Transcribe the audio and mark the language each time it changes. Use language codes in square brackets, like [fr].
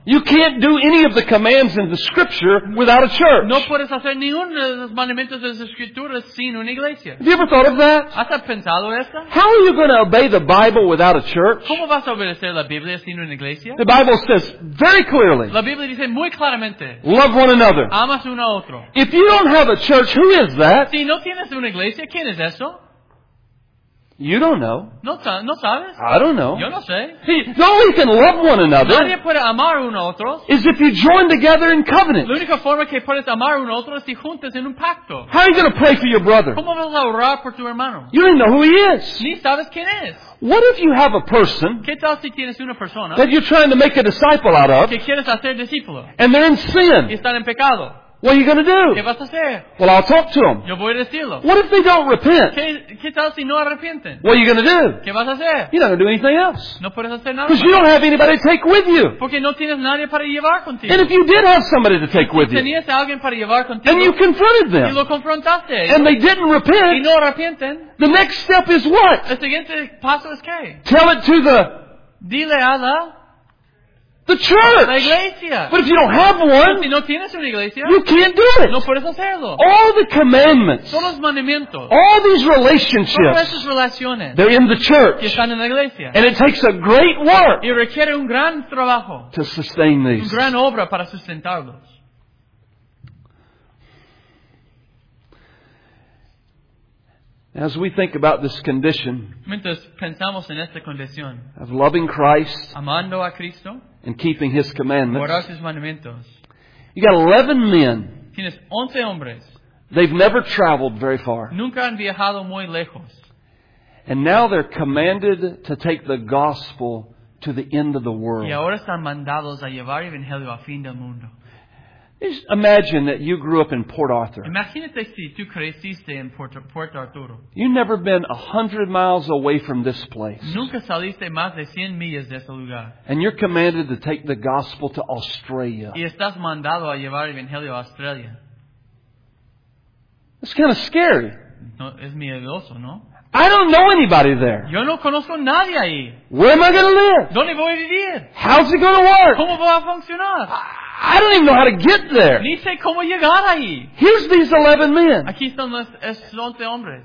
[en] you can't do any of the commands in the Scripture without a church. [es] No puedes hacer ninguno de los mandamientos de las Escrituras sin una iglesia. [en] Have you ever thought of that? [es] ¿Has pensado esto? [en] How are you going to obey the Bible without a church? [es] ¿Cómo vas a obedecer la Biblia sin una iglesia? [en] The Bible says very clearly. [es] La Biblia dice muy claramente. [en] Love one another. [es] Amas uno a otro. [en] If you don't have a church, who is that? [es] Si no tienes una iglesia, ¿quién es eso? [en] You don't know. [es] No sabes. [en] I don't know. [es] Yo no sé. [en] See, the only way you can love one another. [es] Nadie puede amar uno a otro. [en] Is if you join together in covenant. [es] La única forma que puedes amar uno a otro es si juntas en un pacto. [en] How are you going to pray for your brother? [es] ¿Cómo vas a orar por tu hermano? [en] You don't know who he is. [es] Ni sabes quién es. [en] What if you have a person, [es] ¿qué tal si tienes una persona [en] that you're trying to make a disciple out of, [es] que quieres hacer discípulo, [en] and they're in sin? [es] Y están en pecado. [en] What are you going to do? [es] ¿Qué vas a hacer? [en] Well, I'll talk to them. [es] Yo voy a decirlo. [en] What if they don't repent? [es] ¿Qué tal si no arrepienten? [en] What are you going to do? [es] ¿Qué vas a hacer? [en] You're not going to do anything else. [es] No puedes hacer nada. [en] Because you don't have anybody to take with you. [es] Porque no tienes nadie para llevar contigo. [en] And if you did have somebody to take [es] si [en] with [es] tenías tenías alguien para llevar contigo, [en] and you confronted them, [es] y lo confrontaste, [en] and they didn't repent, [es] y no arrepienten, [en] the next step is what? [es] El siguiente paso es qué? [en] Tell it to the... [es] Dile a la... [en] The church. [es] La iglesia. [en] But if you don't have one, [es] si no tienes una iglesia, [en] you can't do it. [es] No puedes hacerlo. [en] All the commandments, [es] son los mandamientos, [en] all these relationships, [es] todas esas relaciones, [en] they're in the church. [es] Que están en la iglesia. [en] And it takes a great work, [es] y requiere un gran trabajo, [en] to sustain these. [es] Una gran obra para sustentarlos. [en] As we think about this condition, [es] mientras pensamos en esta condición, [en] of loving Christ, [es] amando a Cristo, [en] and keeping his commandments. [es] Sus mandamientos. [en] You got 11 men. [es] Tienes 11 hombres. [en] They've never traveled very far. [es] Nunca han viajado muy lejos. [en] And now they're commanded to take the gospel to the end of the world. [es] Y ahora están mandados a llevar el evangelio al fin del mundo. [en] Just imagine that you grew up in Port Arthur. [es] Imagínate si tú creciste en Puerto Arturo. [en] You've never been 100 miles away from this place. [es] Nunca saliste más de 100 millas de este lugar. [en] And you're commanded to take the gospel to Australia. [es] Y estás mandado a llevar el evangelio a Australia. [en] It's kind of scary. [es] No, es miedoso, ¿no? [en] I don't know anybody there. [es] Yo no conozco nadie ahí. [en] Where am I going to live? [es] ¿Dónde voy a vivir? [en] How's it going to work? [es] ¿Cómo va a funcionar? [en] I don't even know how to get there. [es] Ni sé cómo llegar ahí. [en] Here's these 11 men. [es] Aquí están los 11 hombres.